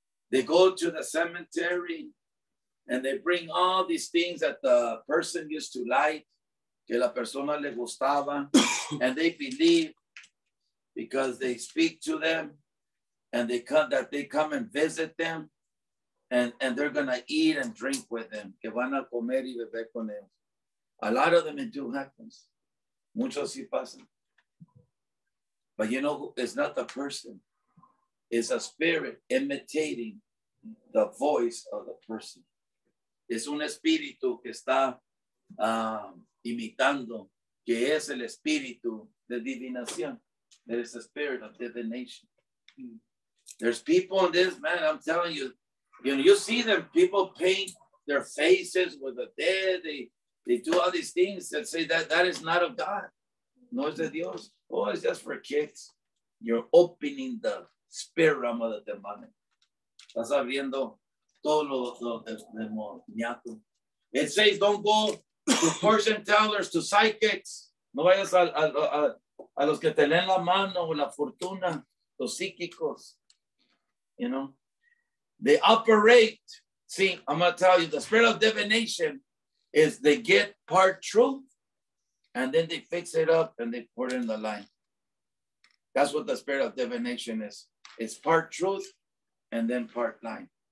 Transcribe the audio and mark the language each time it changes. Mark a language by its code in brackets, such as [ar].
[en] They go to the cemetery and they bring all these things that the person used to like, [es] que la persona le gustaba, [en] and they believe because they speak to them and they come, that they come and visit them. And they're going to eat and drink with them. [es] Que van a comer y beber con ellos. [en] A lot of them, it do happens. [es] Muchos sí pasan. [en] But you know, it's not the person. It's a spirit imitating the voice of the person. [es] es un espíritu que está imitando, que es el espíritu de divinación. [en] That is the spirit of divination. There's people in this, man, I'm telling you, you know, you see them, people paint their faces with the dead, they do all these things that say that that is not of God. [es] No es de Dios. [en] Oh, it's just for kids. You're opening the spirit realm of the demonic. [es] Estás abriendo todo lo demoniaco. [en] It says, don't go to fortune tellers, to psychics. [es] No vayas a los que te leen la mano o la fortuna, los psíquicos. [en] You know? They operate. See, I'm going to tell you, the spirit of divination is they get part truth and then they fix it up and they put it in the line. That's what the spirit of divination is. It's part truth and then part line.